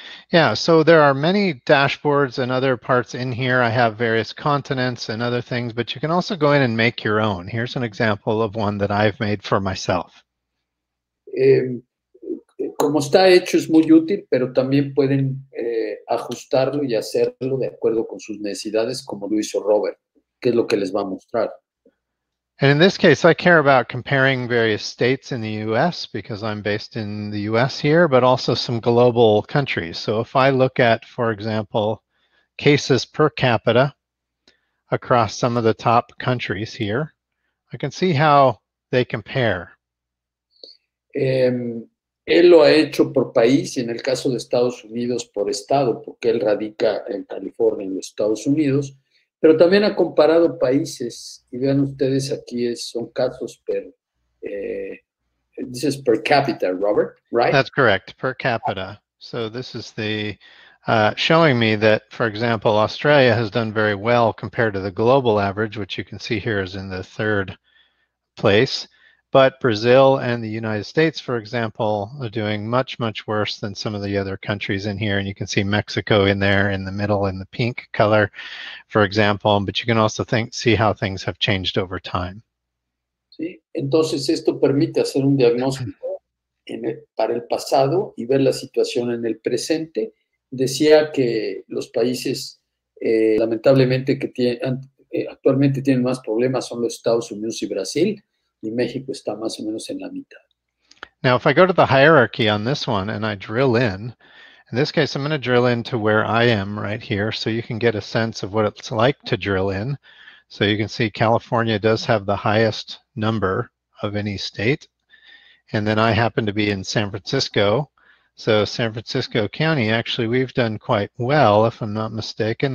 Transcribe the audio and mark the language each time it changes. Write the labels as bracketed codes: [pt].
[en] Yeah, so there are many dashboards and other parts in here. I have various continents and other things, but you can also go in and make your own. Here's an example of one that I've made for myself. [es] Como está hecho, es muy útil, pero también pueden ajustarlo y hacerlo de acuerdo con sus necesidades, como lo hizo Robert, que es lo que les va a mostrar. [en] And in this case, I care about comparing various states in the U.S. because I'm based in the U.S. here, but also some global countries. So if I look at, for example, cases per capita across some of the top countries here, I can see how they compare. [es] Él lo ha hecho por país y en el caso de Estados Unidos por estado, porque él radica en California, en los Estados Unidos. Pero también ha comparado países, y vean ustedes aquí, son casos per, [en] this is per capita, Robert, right? That's correct, per capita. So this is the, showing me that, for example, Australia has done very well compared to the global average, which you can see here is in the third place. But Brazil and the United States, for example, are doing much, much worse than some of the other countries in here. And you can see Mexico in there in the middle in the pink color, for example. But you can also see how things have changed over time. [es] Sí, entonces esto permite hacer un diagnóstico para el pasado y ver la situación en el presente. Decía que los países, lamentablemente, que actualmente tienen más problemas son los Estados Unidos y Brasil. Y México está más o menos en la mitad. [en] Now, if I go to the hierarchy on this one and I drill in this case, I'm going to drill into where I am right here so you can get a sense of what it's like to drill in. So you can see California does have the highest number of any state. And then I happen to be in San Francisco. So San Francisco County, actually, we've done quite well, if I'm not mistaken.